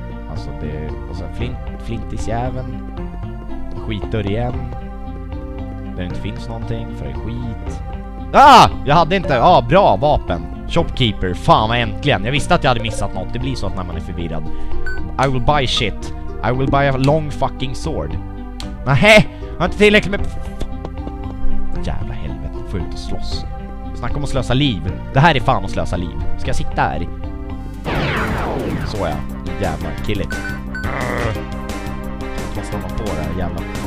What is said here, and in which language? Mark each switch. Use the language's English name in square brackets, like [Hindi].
[Swedish] Alltså det... Och så flintisjäveln. Skitdörr igen. Där det inte finns någonting. För det är skit. Ah! Jag hade inte... Ah, bra vapen. Shopkeeper, fan vad äntligen. Jag visste att jag hade missat något. Det blir så att när man är förvirrad. [English] I will buy shit. I will buy a long fucking sword. [Swedish] Nähä, jag har inte tillräckligt med... Jävla helvete, får ut och slåss. Snacka om att slösa liv. Det här är fan att slösa liv. Ska jag sitta här? Så ja, jävla [English] kill it. [Swedish] Jag kan stanna på det här jävla...